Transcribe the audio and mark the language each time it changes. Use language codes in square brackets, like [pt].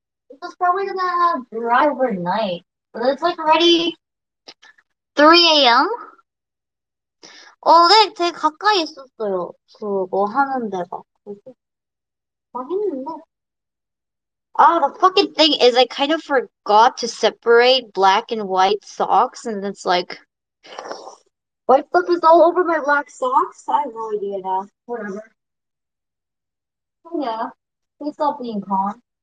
[en] It's probably gonna dry overnight. It's like already 3 a.m. [ko] 네, 되게 가까이 있었어요. 그거 하는 데가. 그래서 했는데. [en] 아, the fucking thing is I kind of forgot to separate black and white socks, and it's like white stuff is all over my black socks. I have no idea now. Whatever. Oh yeah, please stop being calm.